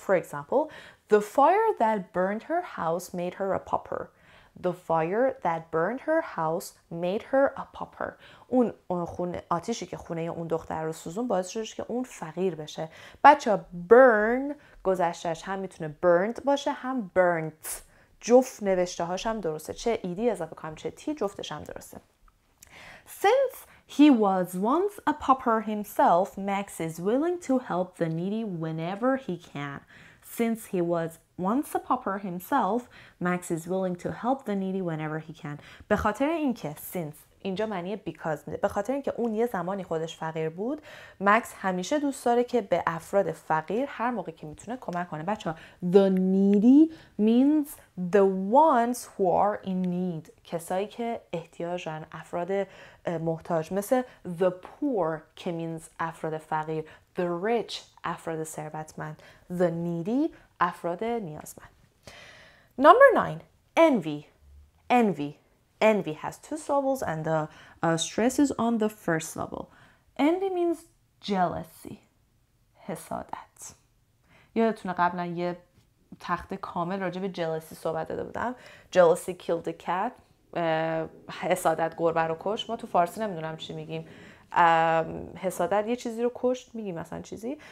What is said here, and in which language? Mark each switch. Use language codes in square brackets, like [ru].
[en] For example, the fire that burned her house made her a pauper. The fire that burned her house made her a pauper. [fa] اون خونه آتیشی که خونه اون دختر رو سوزون باعث شد که اون فقیر بشه. بچه burn گذشتهش هم میتونه burned باشه هم burnt. جفت نوشته هاش هم درسته. چه ایدی اضافه کنم چه تی جفتش هم درسته. [en] Since he was once a pauper himself, Max is willing to help the needy whenever he can. Since he was once a pauper himself, Max is willing to help the needy whenever he can. [fa] به خاطر اینکه since اینجا معنی because میده. به خاطر اینکه اون یه زمانی خودش فقیر بود، ماکس همیشه دوست داره که به افراد فقیر هر موقع که میتونه کمک کنه. [en] بچه‌ها the needy means the ones who are in need. [fa] کسایی که احتیاجن، افراد محتاج، مثل the poor که means افراد فقیر، the rich افراد ثروتمند، the needy افراد نیازمند. [en] Number 9. Envy. Envy. Envy has two syllables and the stress is on the first syllable. Envy means jealousy. حسادت. [fa] یادتونه قبلا یه تخته کامل راجع به jealousy صحبت داده بودم. [en] Jealousy killed the cat. [fa] حسادت گربه رو کشت. ما تو فارسی نمیدونم چی میگیم. حسادت یه چیزی رو کشت میگیم مثلا چیزی.